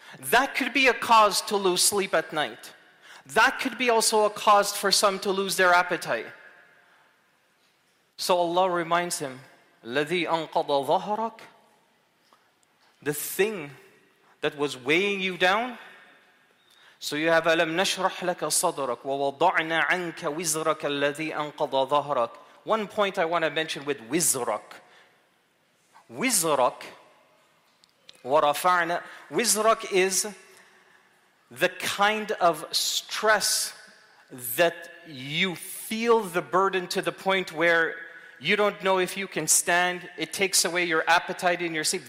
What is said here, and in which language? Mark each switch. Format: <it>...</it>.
<en>That could be a cause to lose sleep at night. That could be also a cause for some to lose their appetite. So Allah reminds him,</en> <ar>الَّذِي أَنْقَضَ ظَهَرَكَ.</ar> <en>The thing that was weighing you down. So you have,</en> <ar>أَلَمْ نَشْرَحْ لَكَ صَدْرَكَ وَوَضَعْنَا عَنْكَ وِزْرَكَ الَّذِي أَنْقَضَ ظَهَرَكَ.</ar> <en>One point I want to mention with wizrak. Wizrak, warafa'na, wizrak is the kind of stress that you feel the burden to the point where you don't know if you can stand, it takes away your appetite in your sleep.</en>